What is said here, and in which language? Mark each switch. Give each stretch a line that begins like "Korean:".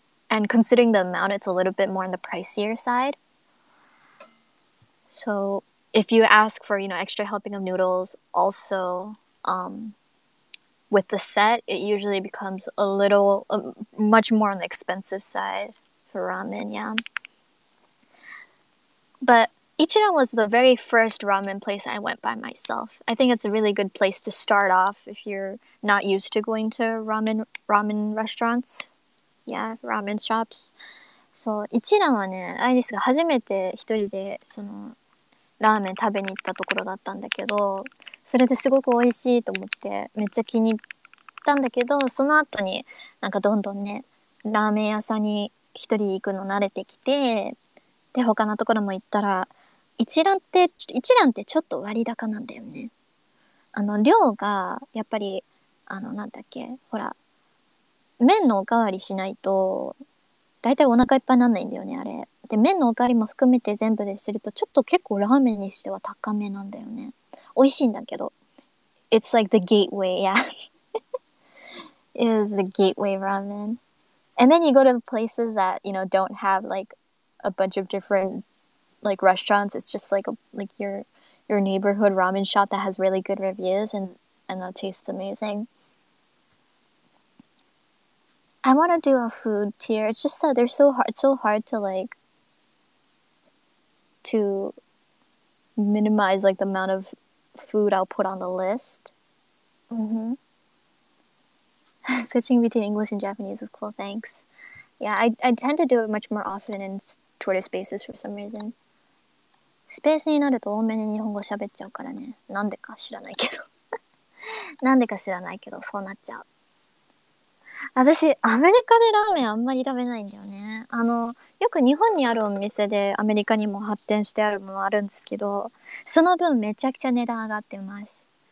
English: And considering the amount, it's a little bit more on the pricier side. So if you ask for, you know, extra helping of noodles also with the set, it usually becomes a little, much more on the expensive side for ramen, yeah. But Ichiran was the very first ramen place I went by myself. I think it's a really good place to start off if you're not used to going to ramen restaurants. Yeah, ramen shops.
Japanese: So, Ichiran はね、アイリスが初めて一人で、その、ラーメン食べに行ったところだったんだけど、それですごく美味しいと思って、めっちゃ気に入ったんだけど、その後に、なんかどんどんね、ラーメン屋さんに一人行くの慣れてきて、で、他のところも行ったら、Ichiran ってちょっと割高なんだよね。あの、量が、やっぱり、あの、なんだっけ、ほら、麺のおかわりしないとだいたいお腹いっぱいなんないんだよね、あれで。麺のおかわりも含めて全部でするとちょっと結構ラーメンにしては高めなんだよね。美味しいんだけど、
English: It's like the gateway, yeah. It is the gateway ramen. And then you go to the places that, you know, don't have like a bunch of different like restaurants. It's just like your neighborhood ramen shop that has really good reviews and that tastes amazing. I want to do a food tier. It's just that they're so hard. It's so hard to like to minimize like the amount of food I'll put on the list. Mm-hmm. Switching between English and Japanese is cool. Thanks. Yeah, I tend to do it much more often in Twitter Spaces for some reason.
Japanese: スペースになると多めに日本語喋っちゃうからね。なんでか知らないけど。なんでか知らないけど、そうなっちゃう。私、アメリカでラーメンあんまり食べないんだよね。あの、よく日本にあるお店でアメリカにも発展してあるものあるんですけど、その分めちゃくちゃ値段上がってます。